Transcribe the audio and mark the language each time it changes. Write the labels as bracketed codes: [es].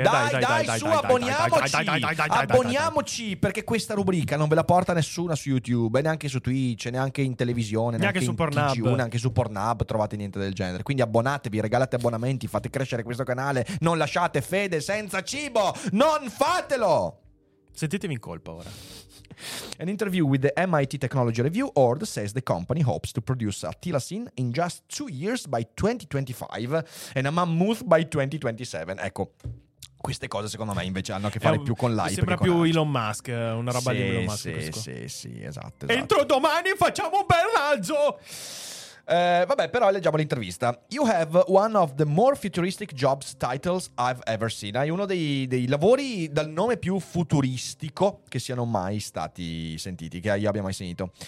[it] Abboniamoci, perché questa rubrica non ve la porta nessuna su YouTube, neanche su Twitch, neanche in televisione, neanche su Pornhub trovate niente del genere. Quindi abbonatevi, regalate abbonamenti, fate crescere questo canale, non lasciate Fede senza cibo, non fatelo. Sentitemi in colpa ora. [en] An interview with the MIT Technology Review Ord says the company hopes to produce atilasin in just 2 years by 2025 and a mammoth by 2027. [it] Ecco, queste cose secondo me invece hanno a che fare più con l'hype. Sembra più Elon Musk, una roba di Elon Musk. Sì, esatto. Entro domani facciamo un bel razzo! Vabbè, però leggiamo l'intervista. [en] You have one of the more futuristic jobs titles I've ever seen. [it] Hai uno dei lavori dal nome più futuristico che siano mai stati sentiti, che io abbia mai sentito.